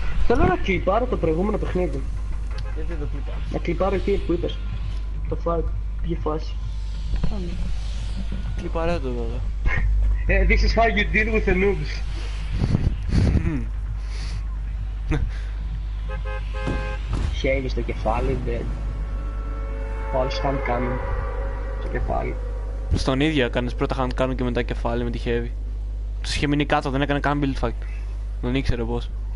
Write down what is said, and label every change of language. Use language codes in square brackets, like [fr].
[el] Θέλω να κλιπάρω το προηγούμενο παιχνίδι. Γιατί το κλιπάρεις? Να κλιπάρω εκεί που είπες. Το fight, ποιο φάση. Πάμε. Κλιπάρε το εδώ. [en] This is how you deal with the noobs. [el] Χέρι στο κεφάλι, dead. [en] False hand cannon. Στο κεφάλι. [el] Στον ίδιο έκανες πρώτα hand cannon και μετά κεφάλι με τη heavy. Τους είχε μείνει κάτω, δεν έκανε καν build fight. Δεν ήξερε πως.